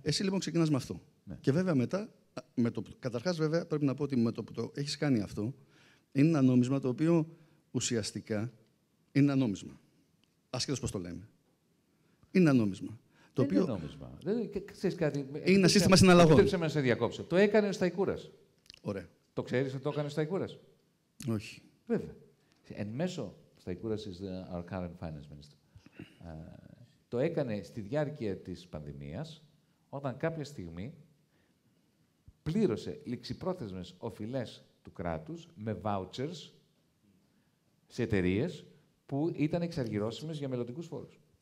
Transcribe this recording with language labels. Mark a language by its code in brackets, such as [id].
[el] Εσύ λοιπόν ξεκινάς με αυτό. Ναι. Και βέβαια μετά, καταρχάς βέβαια πρέπει να πω ότι με το που το έχεις κάνει αυτό, είναι ένα νόμισμα το οποίο ουσιαστικά είναι ένα νόμισμα. Ασχέτως πώς το λέμε. Είναι ένα νόμισμα. Το δεν οποίο... είναι νόμισμα. Δεν, ξέρεις κάτι. Είναι ένα σύστημα συναλλαγών. Επίτρεψε με να σε διακόψω. Το έκανε ο Σταϊκούρας. Ωραία. Το ξέρεις ότι το έκανε ο Σταϊκούρας. Όχι. Βέβαια. Εν μέσω, [en] Σταϊκούρας is our current finance minister. Το έκανε στη διάρκεια της πανδημίας, όταν κάποια στιγμή πλήρωσε ληξιπρόθεσμες οφειλές του κράτους με vouchers σε εταιρείες που ήταν εξαργυρώσιμες για μελλοντικούς φόρους.